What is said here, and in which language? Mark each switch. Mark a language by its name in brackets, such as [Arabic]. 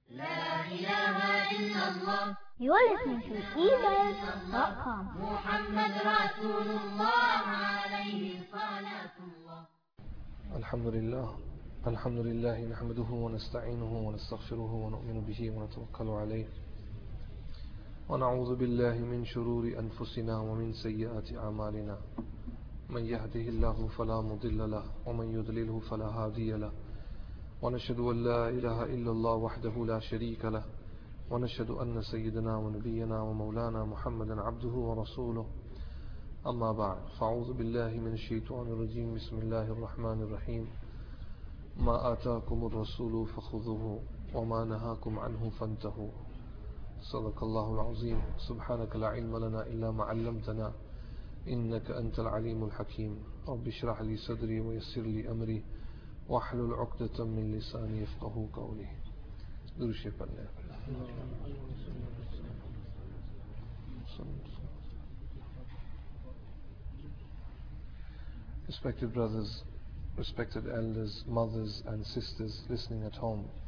[Arabic] إله إلا الله. [English] You're listening to ebuzz.com. [Arabic] محمد رسول الله عليه الصلاة والسلام. الحمد لله الحمد لله نحمده ونستعينه ونستغفره ونؤمن به ونتوكل عليه ونعوذ بالله من شرور أنفسنا ومن سيئات أعمالنا. من يهده الله فلا مضل له ومن يضلله فلا هادي له. ونشهد أن لا إله إلا الله وحده لا شريك له ونشهد أن سيدنا ونبينا ومولانا محمدا عبده ورسوله. أما بعد، فأعوذ بالله من الشيطان الرجيم، بسم الله الرحمن الرحيم. ما آتاكم الرسول فخذوه وما نهاكم عنه فانتهوا. صدق الله العظيم. سبحانك لا علم لنا إلا ما علمتنا إنك أنت العليم الحكيم. رب اشرح لي صدري ويسر لي أمري واحلل عقدة من لساني يفقه قولي. [Urdu] درود شریف پڑھنے [English] Respected brothers, respected elders, mothers and sisters listening at home.